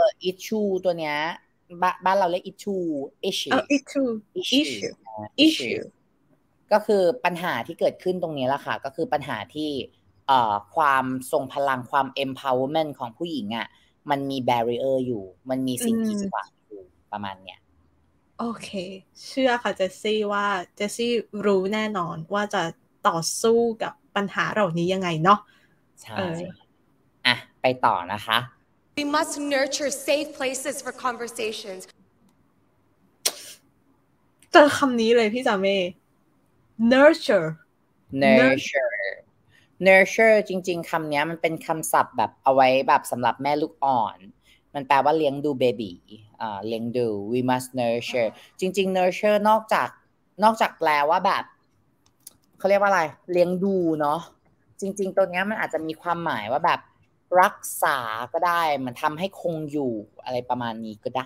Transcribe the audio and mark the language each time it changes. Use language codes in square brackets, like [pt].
[th] issue ตัวเนี้ยบ้านเราเรียก issue ก็คือปัญหาที่เกิดขึ้นตรงนี้ละค่ะก็คือปัญหาที่ความทรงพลังความ empowerment ของผู้หญิงอ่ะมันมี barrier อยู่มันมีสิ่งกีดขวางอยู่ประมาณเนี้ย โอเคเชื่อค่ะเจสซี่ว่าเจสซี่รู้แน่นอนว่าจะต่อสู้กับปัญหาเหล่านี้ยังไงเนาะ ใช่ใช่อ่ะไปต่อนะคะ [en] We must nurture safe places for conversations [th] เจอคำนี้เลยพี่จามี nurture nurture จริงๆคำนี้มันเป็นคำศัพท์แบบเอาไว้แบบสำหรับแม่ลูกอ่อนมันแปลว่าเลี้ยงดูเบบี้เลี้ยงดู [en] we must nurture [th] จริงๆ nurture นอกจากแปลว่าแบบเขาเรียกว่าอะไรเลี้ยงดูเนาะจริงๆตัวเนี้ยมันอาจจะมีความหมายว่าแบบรักษาก็ได้มันทำให้คงอยู่อะไรประมาณนี้ก็ได